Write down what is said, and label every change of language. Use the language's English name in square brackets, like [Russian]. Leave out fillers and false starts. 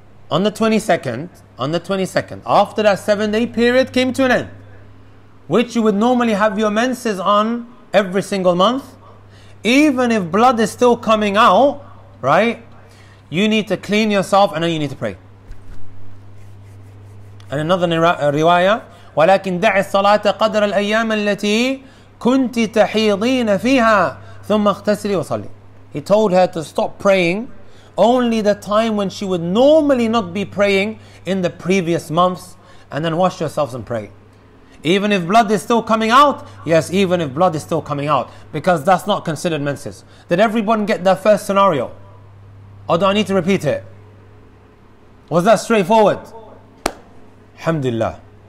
[English] On the 22nd, after that 7 day period came to an end, which you would normally have your menses on every single month, even if blood is still coming out, right, you need to clean yourself and then you need to pray. And another riwayah, [Arabic] وَلَكِنْ دَعِ الصَّلَاةَ قَدْرَ الْأَيَّامَ الَّتِي كُنْتِ تَحِيضِينَ فِيهَا ثُمَّ اغْتَسِلِ وَصَلِّ. [English] He told her to stop praying only the time when she would normally not be praying in the previous months, and then wash yourselves and pray. Even if blood is still coming out, yes, even if blood is still coming out, because that's not considered menses. Did everyone get that first scenario? Or do I need to repeat it? Was that straightforward? Alhamdulillah.